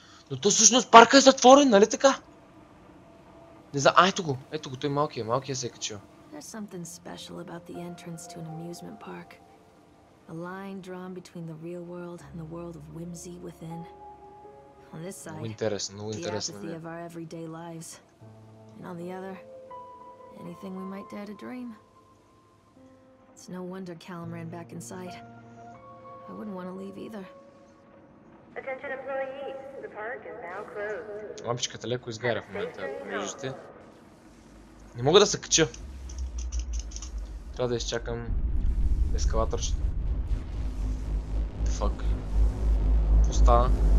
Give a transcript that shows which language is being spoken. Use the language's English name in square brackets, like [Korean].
[Bulgarian] Но то всъщност парка е затворен, нали така? Не знам, а, ето го, той малкия, малкия се е качил. [English] There's something special about the entrance to an amusement park. A line drawn between the real world and the world of whimsy within. On this side, [Bulgarian] много интересно, [English] the apathy of our everyday lives. And on the other, anything we might dare to dream. It's no wonder Callum ran back inside. I wouldn't want to leave either. Attention employees, the park is now closed. [Bulgarian] Лампичката леко изгаря в момента, виждате. Не мога да се кача. Трябва да изчакам ескалаторчето. [English] The fuck? [Bulgarian] Какво стана?